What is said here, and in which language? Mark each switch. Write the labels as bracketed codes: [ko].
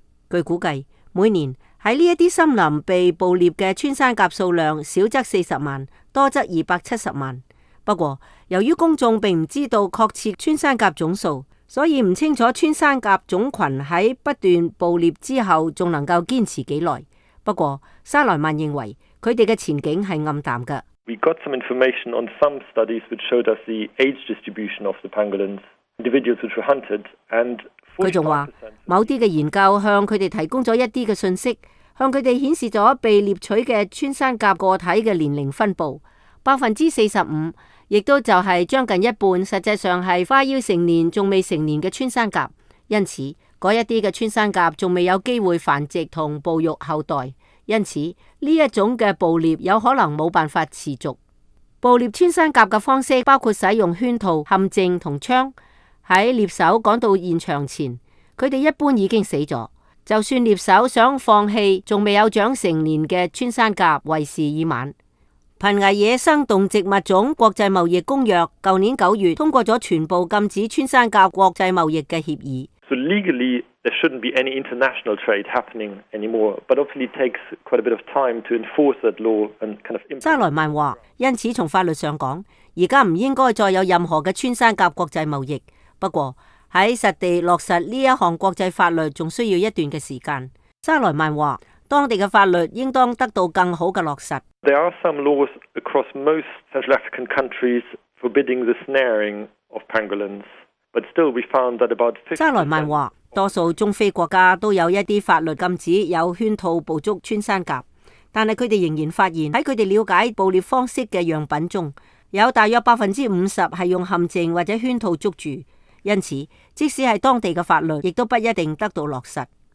[zh] 据估计，每年在这些森林被捕猎的穿山甲数量少则40万，多则270万。不过，由于公众并不知道确切穿山甲总数，所以不清楚穿山甲种群在不断捕猎之后还能够坚持多久。不过沙莱曼认为他们的前景是暗淡的。 [en] We got some information on some studies which showed us the age distribution of the pangolins, individuals which were hunted, and [zh] 他还说，某些研究向他们提供了一些信息，向他们显示了被猎取的穿山甲个体的年龄分布。 45%亦都就是将近一半，实际上是快要成年还未成年的穿山甲。因此，那些的穿山甲还未有机会繁殖和哺育后代，因此这一种的捕猎有可能没办法持续。捕猎穿山甲的方式包括使用圈套、陷阱和枪。在猎手赶到现场前，他们一般已经死了。就算猎手想放弃还未有长成年的穿山甲，为时已晚。濒危野生动植物种国际贸易公约去年九月通过了全部禁止穿山甲国际贸易的协议。 [en] So legally, there shouldn't be any international trade happening anymore, but obviously it takes quite a bit of time to enforce that law and kind of implement. [zh] 沙莱曼说，因此从法律上讲，现在不应该再有任何的穿山甲国际贸易。不过，在实地落实这一项国际法律还需要一段的时间。沙莱曼说，当地的法律应当得到更好的落实。 [en] There are some laws across most Central African countries forbidding the snaring of pangolins, but still we found that about 50%. [zh] 沙莱曼说，多数中非国家都有一些法律禁止有圈套捕捉穿山甲，但他们仍然发现在他们了解捕猎方式的样品中，有大约 50% 是用陷阱或者圈套捉住，因此即使是当地的法律，亦都不一定得到落实。